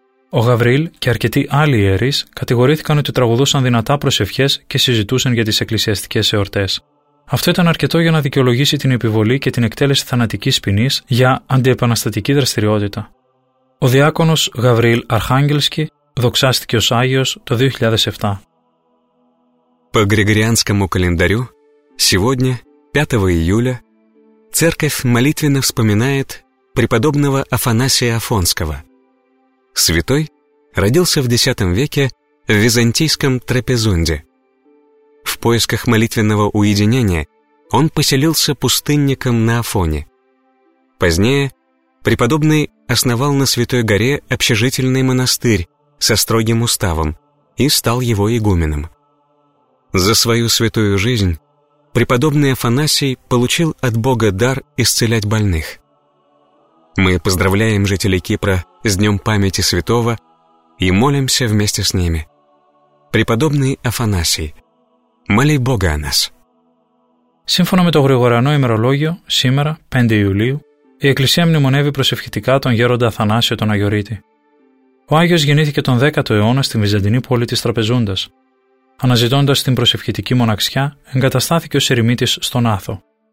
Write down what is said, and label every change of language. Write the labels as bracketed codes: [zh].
[el] Ο Γαβριήλ και αρκετοί άλλοι ιερείς κατηγορήθηκαν ότι τραγουδούσαν δυνατά προσευχές και συζητούσαν για τις εκκλησιαστικές εορτές. Αυτό ήταν αρκετό για να δικαιολογήσει την επιβολή και την εκτέλεση θανατικής ποινής για αντιεπαναστατική δραστηριότητα. Ο διάκονος Γαβριήλ Αρχάγγελσκι δοξάστηκε ως Άγιος το 2007. [ru] По Григорианскому календарю сегодня, 5 июля, церковь молитвенно вспоминает преподобного Афанасия Афонского. Святой родился в X веке в византийском Трапезунде. В поисках молитвенного уединения он поселился пустынником на Афоне. Позднее преподобный основал на Святой горе общежительный монастырь со строгим уставом и стал его игуменом. За свою святую жизнь преподобный Афанасий получил от Бога дар исцелять больных. Мы поздравляем жителей Кипра с Днем памяти святого и молимся вместе с ними. Преподобный Афанасий, моли Бога о нас. [el] Σύμφωνα με το γρηγοριανό ημερολόγιο, σήμερα, 5 Ιουλίου, η Εκκλησία μνημονεύει προσευχητικά τον Γέροντα Αθανάσιο τον Αγιορείτη. Ο Άγιος γεννήθηκε τον 10ο αιώνα στη Βυζαντινή πόλη της Τραπεζούντας. Αναζητώντας την προσευχητική μοναξιά, εγκαταστάθηκε ως ερημίτης στον Άθο.